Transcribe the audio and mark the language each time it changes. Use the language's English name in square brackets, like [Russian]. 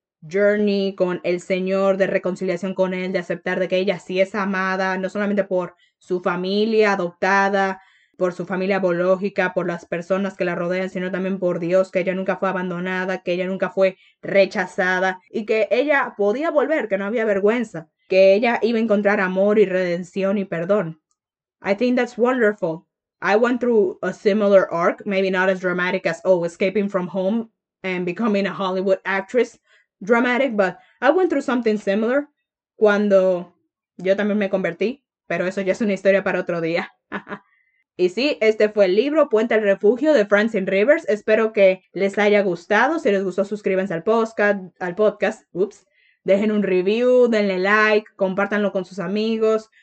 [English] journey [Spanish] con el Señor, de reconciliación con Él, de aceptar de que ella sí es amada, no solamente por su familia adoptada, por su familia biológica, por las personas que la rodean, sino también por Dios, que ella nunca fue abandonada, que ella nunca fue rechazada y que ella podía volver, que no había vergüenza, que ella iba a encontrar amor y redención y perdón. [English] I think that's wonderful. I went through a similar arc, maybe not as dramatic as, oh, escaping from home and becoming a Hollywood actress. Dramatic, but I went through something similar [Spanish] cuando Yo también me convertí, pero eso ya es una historia para otro día. Y sí, este fue el libro Puente al Refugio de Francine Rivers. Espero que les haya gustado. Si les gustó, suscríbanse al podcast. Ups. Dejen un review, denle like, compártanlo con sus amigos.